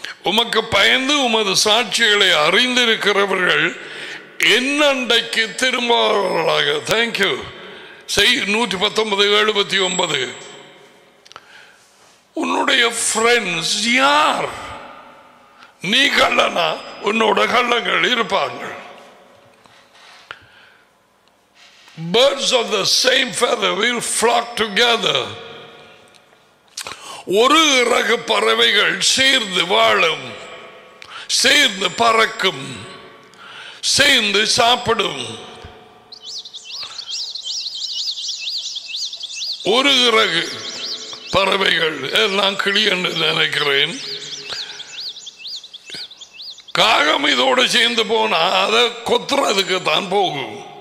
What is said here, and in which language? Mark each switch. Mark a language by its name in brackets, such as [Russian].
[Tamil] உமக்கு பயந்து உமது சாட்சிகளை அறிந்திருக்கிறவர்கள் என்னண்டைக்கு திரும்புவார்களாக. தேங்க்யூ. செய் 119:79. உன்னுடைய ஃப்ரெண்ட்ஸ் யார்? நீ கள்ளனா, உன்னோட கள்ளங்கள் இருப்பார்கள். [English] Birds of the same feather will flock together. [Tamil] ஒரு இறகு பறவைகள் சேர்ந்து வாழும், சேர்ந்து பறக்கும், சேர்ந்து சாப்பிடும். ஒரு இறகு பறவைகள், நான் கிளி என்று நினைக்கிறேன், காகம் இதோடு சேர்ந்து போனா அதை கொத்துறதுக்கு தான் போகும்.